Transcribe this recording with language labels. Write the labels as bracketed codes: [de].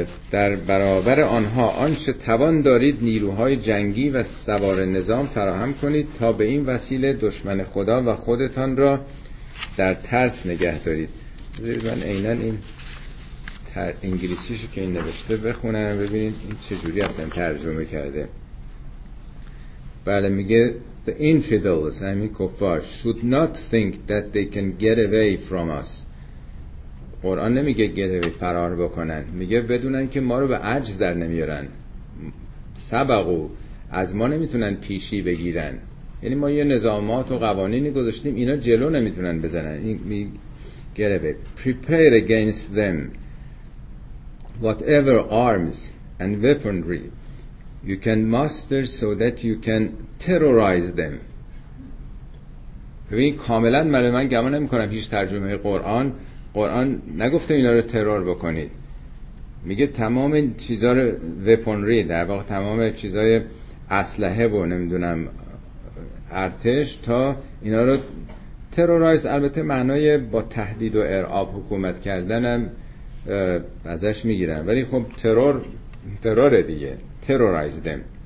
[fa] در برابر آنها آنچه توان دارید نیروهای جنگی و سوار نظام فراهم کنید تا به این وسیله دشمن خدا و خودتان را در ترس نگه دارید. من اینن این انگلیسیشو که این نوشته بخونم ببینید این چجوری اصلا ترجمه کرده. بله میگه [en] the infidels, I mean kuffar, should not think that they can get away from us. [fa] قرآن نمیگه get away فرار بکنن، میگه بدونن که ما رو به عجز در نمیارن، سبقو از ما نمیتونن پیشی بگیرن. یعنی ما یه نظامات و قوانینی گذاشتیم اینا جلو نمیتونن بزنن. [en] این get away, prepare against them whatever arms and weaponry you can master so that you can terrorize them. [fa] ببین کاملا من گمان نمی کنم هیچ ترجمه قرآن نگفته اینا رو ترور بکنید. میگه تمام چیزا رو weaponry، در واقع تمام چیزای اسلحه و نمیدونم ارتش، تا اینا رو ترورایز، البته معنای با تهدید و ارعاب حکومت کردنم ازش میگیرن، ولی خب تروره دیگه، [en] terrorize them.